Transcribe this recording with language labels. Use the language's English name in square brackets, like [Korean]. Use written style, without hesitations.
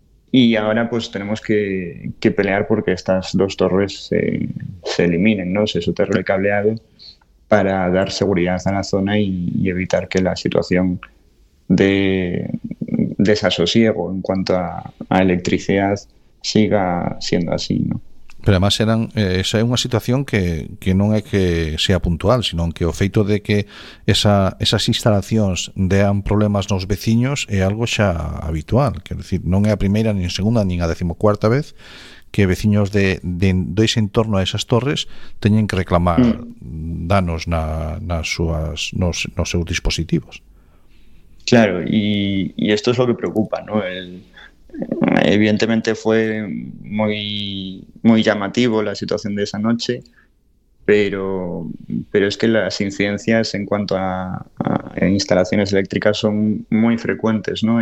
[Spanish] Y ahora pues tenemos que pelear porque estas dos torres se eliminen, ¿no? Se soterre el cableado para dar seguridad a la zona y evitar que la situación de desasosiego en cuanto a electricidad siga siendo así, ¿no? [Galician] Pero además eran esa é unha situación que non é que sea puntual, sino que o feito de que esas instalacións dean problemas nos veciños é algo xa habitual, quero decir, non é a primeira nin a segunda nin a decimocuarta vez que veciños de ese entorno a esas torres teñen que reclamar danos nos seus dispositivos. [Spanish] Claro, y esto es lo que preocupa, ¿no? Evidentemente fue muy, muy llamativo la situación de esa noche, pero es que las incidencias en cuanto a instalaciones eléctricas son muy frecuentes, ¿no?